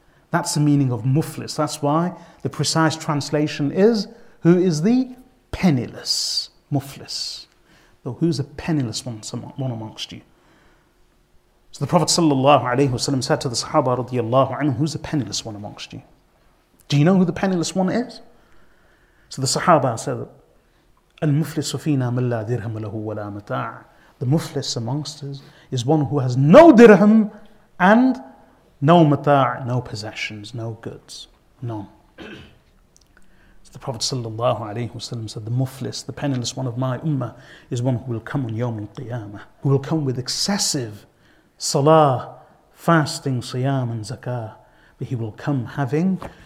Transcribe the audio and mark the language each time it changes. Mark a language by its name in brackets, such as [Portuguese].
[English] That's the meaning of muflis. That's why the precise translation is, who is the penniless muflis? So who's a penniless one amongst you? So the Prophet sallallahu alaihi wasallam said to the Sahaba radiallahu anhu, who's a penniless one amongst you? Do you know who the penniless one is? So the Sahaba said, [Arabic] المفلس فينا من لا درهم له ولا متاع. [English] The muflis amongst us is one who has no dirham and no mata, no possessions, no goods, none. So the Prophet sallallahu alaihi wasallam said, the muflis, the penniless one of my ummah, is one who will come on yawm al-qiyamah, who will come with excessive salah, fasting, siyam and zakah, but he will come having